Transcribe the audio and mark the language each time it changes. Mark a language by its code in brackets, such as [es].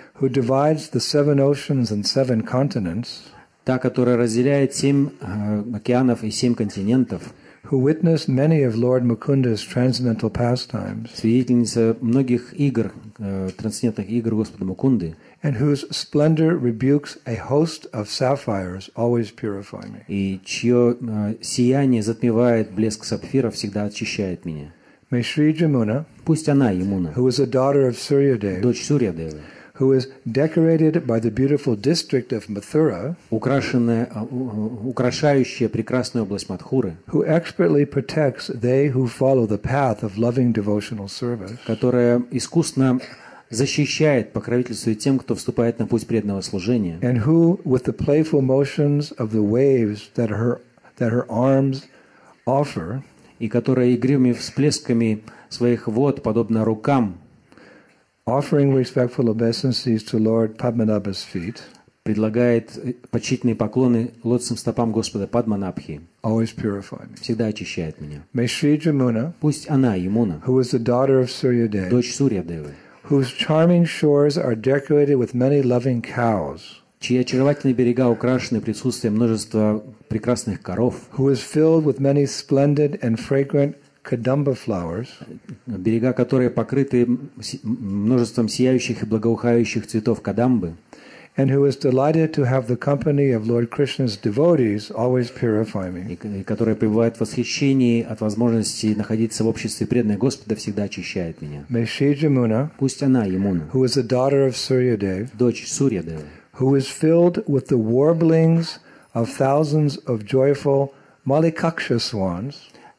[en] who divides the seven oceans and seven continents, [ru] та, которая разделяет семь океанов и семь континентов, [en] who witnessed many of Lord Mukunda's transcendental pastimes, [ru] свидетельница многих игр, трансцендентных игр Господа Мукунды, [en] and whose splendor rebukes a host of sapphires, always purify me. [ru] И чье сияние затмевает блеск сапфиров, всегда очищает меня. [en] May Shri Jamuna, [ru] пусть она, Ямуна, [en] who is a daughter of Suryadev, [ru] дочь Сурьядевы, [en] who is decorated by the beautiful district of Mathura, [ru] украшающая прекрасную область Матхуры, [en] who expertly protects they who follow the path of loving devotional service, [ru] которая искусно защищает, покровительствует тем, кто вступает на путь преданного служения, [en] and who, with the playful motions of the waves that her arms offer, [ru] и которая игривыми всплесками своих вод, подобно рукам, [en] offering respectful obeisances to Lord Padmanabha's feet, [ru] предлагает почтительные поклоны лотосным стопам Господа Падманабхи, [en] always purify me. [ru] Всегда очищает меня. [en] May Shri Jamuna, [ru] пусть она, Ямуна, [en] who is the daughter of Suryadev, [ru] дочь Сурьядевы, [en] whose charming shores are decorated with many loving cows, [ru] чьи очаровательные берега украшены присутствием множества прекрасных коров, [en] who is filled with many splendid and fragrant kadamba flowers, [ru] берега которые покрыты множеством сияющих и благоухающих цветов кадамбы, [en] and who is delighted to have the company of Lord Krishna's devotees, always purify me. [ru] И которая пребывает в восхищении от возможности находиться в обществе преданных Господа, всегда очищает меня. [en] May she, Jamuna, [ru] пусть она, Ямуна, [en] who is the daughter of Suryadev, [ru] дочь Сурьядевы, [en] who is filled with the warblings of thousands of joyful malikaksha swans,